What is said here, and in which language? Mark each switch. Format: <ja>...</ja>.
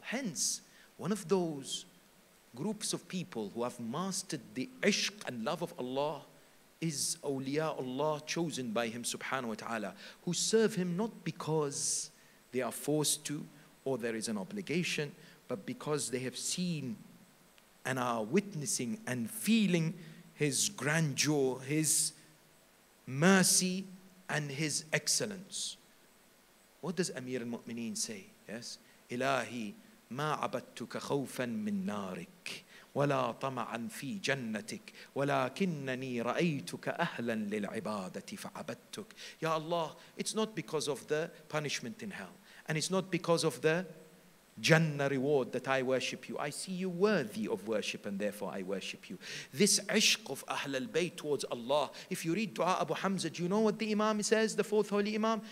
<en>Hence, one of those groups of people who have mastered the ishq and love of Allah is awliya Allah, chosen by Him subhanahu wa ta'ala, who serve Him not because they are forced to or there is an obligation, but because they have seen and are witnessing and feeling His grandeur, His mercy, and His excellence. What does Amir al-Mu'mineen say? Yes? Ilahi,</en> <ar>ما عبدتك خوفا من نارك ولا طمعا في جنتك ولكنني رأيتك أهلا للعبادة فعبدتك. يا الله,</ar> <en>it's not because of the punishment in hell, and it's not because of the Jannah reward that I worship you. I see you worthy of worship, and therefore I worship you. This ishq of Ahl al-Bayt towards Allah. If you read Dua Abu Hamza, do you know what the Imam says, the fourth holy Imam?</en>